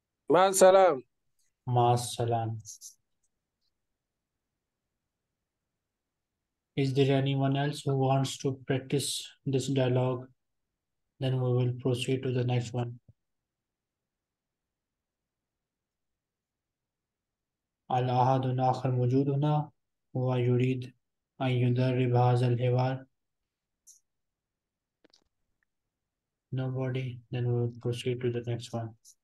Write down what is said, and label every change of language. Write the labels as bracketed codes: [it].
[ar] مع السلام. مع السلام. [en] Is there anyone else who wants to practice this dialogue? Then we will proceed to the next one. [ar] الاحد الاخر موجود هنا هو يريد ان يدرب هذا الحوار. [en] Nobody, then we will proceed to the next one.